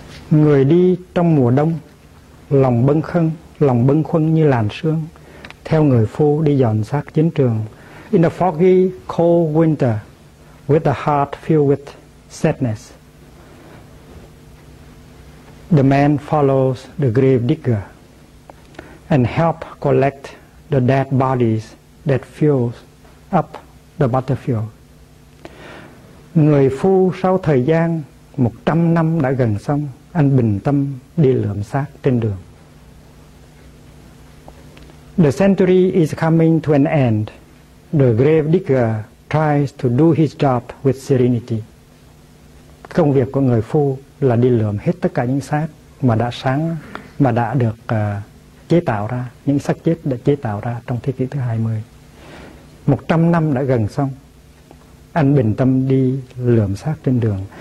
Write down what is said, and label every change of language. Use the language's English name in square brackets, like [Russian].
[Vietnamese] Người đi trong mùa đông, lòng bâng khuâng như làn sương, theo người phu đi dọn xác chiến trường. [English] In the foggy, cold winter, with a heart filled with sadness, the man follows the grave digger and help collect the dead bodies that fills up the battlefield. [Vietnamese] Người phu sau thời gian 100 năm đã gần xong, anh bình tâm đi lượm xác trên đường. [English] The century is coming to an end. The grave digger tries to do his job with serenity. [Vietnamese] Công việc của người phu là đi lượm hết tất cả những xác mà đã sáng, mà đã được chế tạo ra, những xác chết đã chế tạo ra trong thế kỷ thứ 20. 100 năm đã gần xong, anh bình tâm đi lượm xác trên đường.